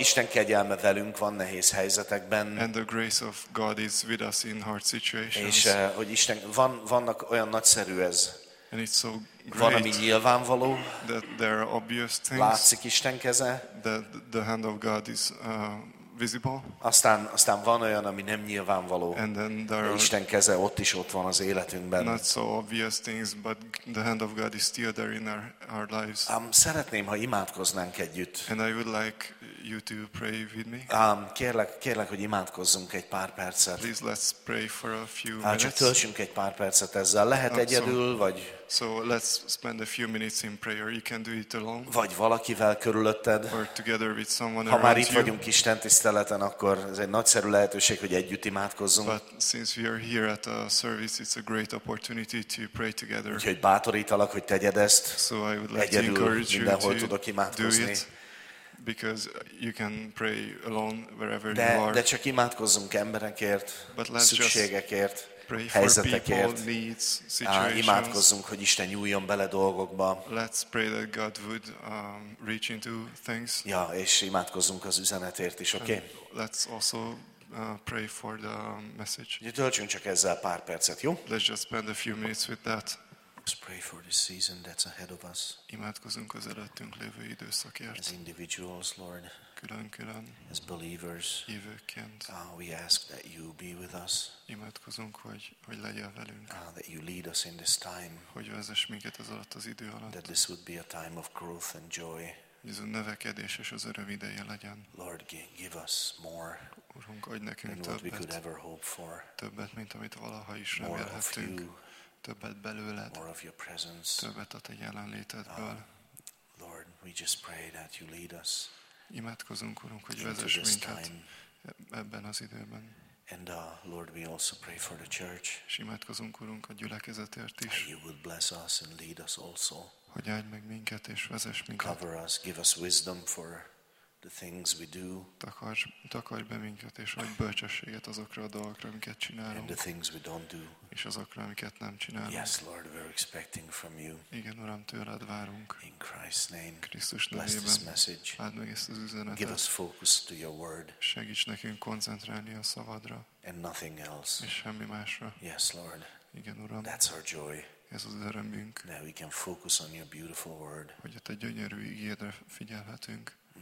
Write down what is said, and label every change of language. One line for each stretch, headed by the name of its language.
Hungarian: Isten kegyelme velünk van nehéz helyzetekben.
English: And the grace of God is with us in hard situations.
Hungarian: És hogy Isten vannak olyan nagyszerű ez.
English: And it's so great.
Hungarian: Van, ami nyilvánvaló.
English: That there are obvious things.
Hungarian: Látszik Isten keze.
English: That the hand of God is visible.
Hungarian: Aztán van olyan, ami nem nyilvánvaló.
English: And then there are
Hungarian: Isten keze ott is ott van az életünkben.
English: Not so obvious things, but the hand of God is still there in our lives.
Hungarian: Szeretném, ha imádkoznánk együtt.
English: And I would like you to pray with me.
Hungarian: Kérlek, hogy imádkozzunk egy pár percet.
English: Please let's pray for a few minutes.
Hungarian: Csak töltsünk egy pár percet ezzel. Lehet egyedül, vagy.
English: So let's spend a few minutes in prayer. You can do it alone.
Hungarian: Vagy valakivel körülötted.
English: Or together with someone.
Hungarian: Ha már itt vagyunk istentiszteleten, akkor ez egy nagyszerű lehetőség, hogy együtt imádkozzunk.
English: But since we are here at a service, it's a great opportunity to pray together.
Hungarian: Úgyhogy bátorítalak, hogy tegyed ezt.
English: So I would like to encourage you.
Hungarian: Mindenhol tudok imádkozni.
English: Because you can pray alone wherever
Hungarian: de,
English: you are.
Hungarian: De csak imádkozzunk emberekért, szükségekért, helyzetekért.
English: People, needs, situations.
Hungarian: Imádkozzunk, hogy Isten nyúljon bele dolgokba.
English: Let's pray that God would reach into things.
Hungarian: Ja, és imádkozzunk az üzenetért is, okay?
English: Let's also pray for the message.
Hungarian: Töltsünk csak ezzel pár percet, jó?
English: Let's just spend a few minutes with that. Let's pray for the season that's ahead of us.
Hungarian: Imádkozunk az előttünk lévő időszakért.
English: As individuals, Lord.
Hungarian: Külön-külön.
English: As believers.
Hungarian: Hívőként.
English: We ask that you be with us.
Hungarian: Imádkozunk, hogy legyél velünk.
English: That you lead us in this time.
Hungarian: Hogy vezess minket az alatt az idő alatt.
English: That this would be a time of growth and joy.
Hungarian: Ez a növekedés és az öröm ideje legyen.
English: Lord, give us more.
Hungarian: Urunk, adj nekünk
English: than
Hungarian: többet.
English: What we could ever hope for.
Hungarian: Többet, mint amit valaha is remélhettünk. Többet belőled,
English: more of your presence.
Hungarian: Többet a te jelenlétedből.
English: Lord, we just pray that you lead us.
Hungarian: Imádkozunk, Urunk, hogy vezess minket ebben az időben.
English: And Lord, we also pray for the church.
Hungarian: És imádkozunk, Urunk, a gyülekezetért is.
English: You would bless us and lead us also.
Hungarian: Hogy áld meg minket és vezess minket.
English: Cover us, give us wisdom for the things we do.
Hungarian: Takarj be minket és adj bölcsességet azokra a dolgokra, amiket csinálunk.
English: And the things we don't do.
Hungarian: És azokra, amiket nem csinálunk.
English: Yes, Lord, we're expecting from you.
Hungarian: Igen, Uram, tőled várunk.
English: In Christ's name.
Hungarian: Krisztus nevében.
English: Bless this message.
Hungarian: Áld meg ezt az üzenetet.
English: Give us focus to your word.
Hungarian: Segíts nekünk koncentrálni a szavadra.
English: And nothing else.
Hungarian: És semmi másra.
English: Yes, Lord.
Hungarian: Igen, Uram.
English: That's our joy.
Hungarian: Ez az örömünk.
English: That we can focus on your beautiful word.
Hungarian: Hogy a te gyönyörű ígédre figyelhetünk.